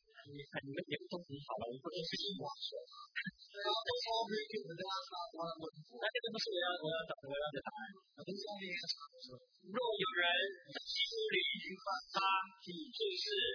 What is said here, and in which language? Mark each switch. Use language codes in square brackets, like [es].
[zh] 你们也都很好了，我不能随便乱说。 [en] That's all very good, but that's not what I'm looking for. [zh] 那这个不是我要找的答案。 [en] But this only is true. [zh] 若有人在基督里，他已经是。